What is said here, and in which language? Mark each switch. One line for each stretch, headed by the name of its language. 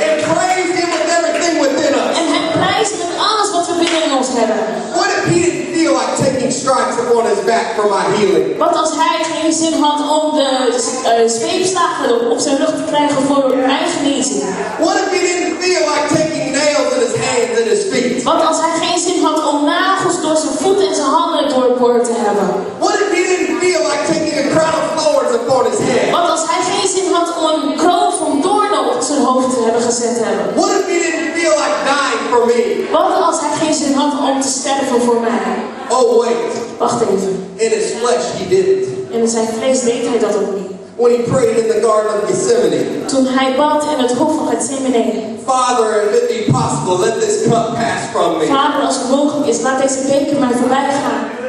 English: And praise him with everything within us.
Dutch: En hij prijst met alles wat we binnen ons hebben.
English: What if he didn't feel like taking stripes upon his back for my healing?
Dutch: Wat als hij geen zin had om de zweepslagen op zijn rug te krijgen voor mijn genezing?
English: What if he didn't feel like taking nails in his hands and his feet?
Dutch: Wat als hij geen zin had om nagels door zijn voeten en zijn handen doorboord te hebben?
English: What if he didn't feel like taking a crown of thorns upon his head?
Dutch: Wat als hij geen zin had om een kroon van doornen op zijn hoofd te hebben gezet hebben?
English: What if he didn't feel like dying for me?
Dutch: Wat als hij geen zin had om te sterven voor mij?
English: Oh wait.
Dutch: Wacht even.
English: In his flesh he did it.
Dutch: In zijn vlees deed hij dat ook niet.
English: When he prayed in the Garden of Gethsemane.
Dutch: Toen hij bad in het hof van Gethsemane.
English: Father, if it be possible, let this cup pass from me.
Dutch: Vader, als het mogelijk is, laat deze beker mij voorbij gaan.